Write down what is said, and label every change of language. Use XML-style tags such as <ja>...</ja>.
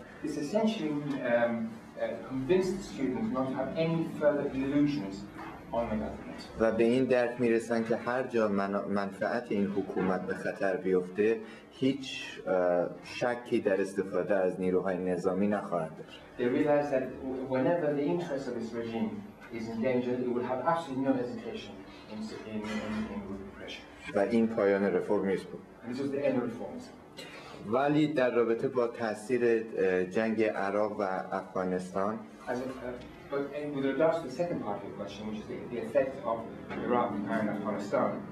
<en>This essentially convinced students not to have any further illusions on the government.</en> <fa>و به این درک میرسن که هر جا منفعت این حکومت به خطر بیفته هیچ شکی در استفاده از نیروهای نظامی نخواهد داشت.</fa> <en>They realize that whenever the interest of this regime is endangered, it will have absolutely no hesitation in repression.</en> <fa>و این پایان رفورمیسم.</fa> <en>And this was the end of reforms.</en> <fa>ولی در رابطه با تاثیر جنگ عراق و افغانستان.</fa> <en>But with regards to the second part of your question, which is the effect of Iraq and Afghanistan.</en>